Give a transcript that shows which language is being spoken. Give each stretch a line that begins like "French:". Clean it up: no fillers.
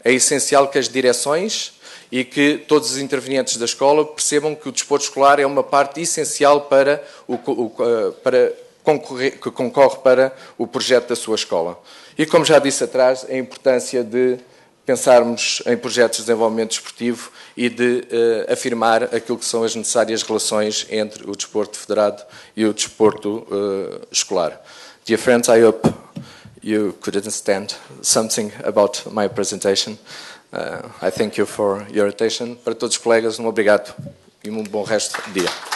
Portuguese: É essencial que as direções e que todos os intervenientes da escola percebam que o desporto escolar é uma parte essencial para que concorre para o projeto da sua escola. E como já disse atrás, a importância de pensarmos em projetos de desenvolvimento desportivo e de afirmar aquilo que são as necessárias relações entre o desporto federado e o desporto escolar.
English: Dear friends, I hope you could understand something about my presentation. I thank you for your attention.
Portuguese: Para todos os colegas, um obrigado e um bom resto de dia.